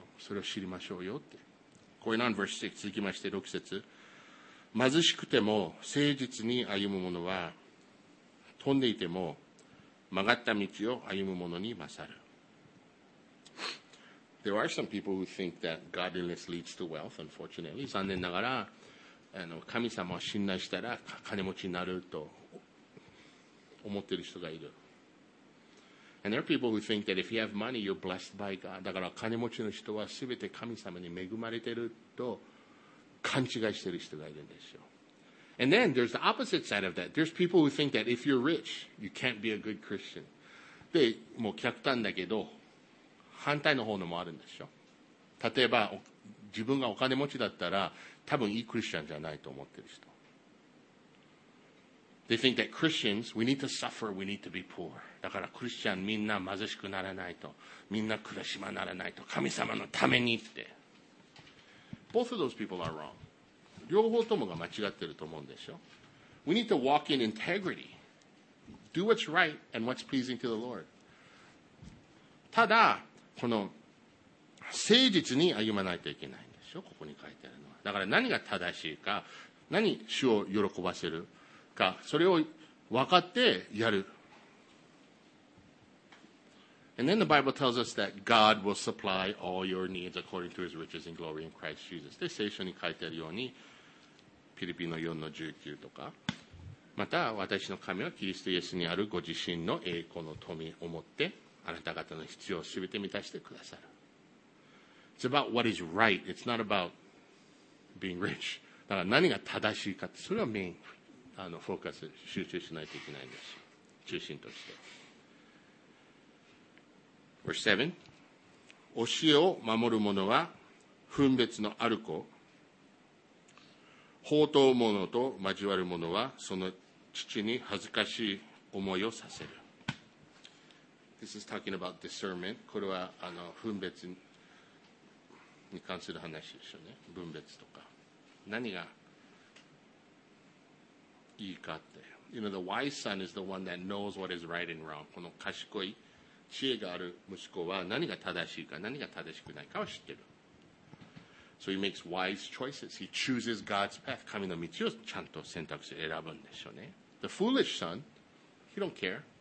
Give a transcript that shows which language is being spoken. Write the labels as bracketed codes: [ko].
[ja] それを知りましょうよって。これなん verse 6、続きまして6節、貧しくても誠実に歩む者は飛んでいても曲がった道を歩む者に勝る。 [en] There are some people who think that godliness leads to wealth, unfortunately. [ja] 残念ながら神様を信頼したら金持ちになると思っている人がいる。 [en] And there are people who think that if you have money, you're blessed by God. [ja] だから金持ちの人は全て神様に恵まれていると勘違いしている人がいるんですよ。 [en] And then there's the opposite side of that. There's people who think that if you're rich, you can't be a good Christian. [ja] で、もう客単だけど反対の方のもあるんですよ。例えば自分がお金持ちだったら多分いいクリスチャンじゃないと思ってる人。 [en] They think that Christians, we need to suffer, we need to be poor. [ja] だからクリスチャンみんな貧しくならないと、みんな苦しまならないと、神様のためにって。 [en] Both of those people are wrong. [ja] 両方ともが間違ってると思うんでしょ。 [en] We need to walk in integrity. Do what's right and what's pleasing to the Lord. [ja] ただ、この誠実に歩まないといけないんでしょ、ここに書いてあるのは。だから何が正しいか、何主を喜ばせるか、それを分かってやる。 [en] And then the Bible tells us that God will supply all your needs according to his riches and glory in Christ Jesus. [ja] で、聖書に書いてあるように、ピリピの4の19とか、また私の神はキリストイエスにあるご自身の栄光の富をもって、あなた方の必要をすべて満たしてくださる。 [en] It's about what is right. It's not about being rich. [ja] だから何が正しいかって、それはメイン、フォーカス、集中しないといけないんです。中心として。 [en] Verse 7. [ja] 教えを守る者は分別のある子。放蕩者と交わる者はその父に恥ずかしい思いをさせる。 [en] This is talking about discernment. [ja] これは分別に関する話でしょうね。分別とか何がいいかって。 [en] You know, the wise son is the one that knows what is right and wrong. [ja] この賢い知恵がある息子は何が正しいか何が正しくないかを知ってる。 [en] So he makes wise choices. He chooses God's path. [ja] 神の道をちゃんと選択して選ぶんでしょうね。 [en] The foolish son, he don't care.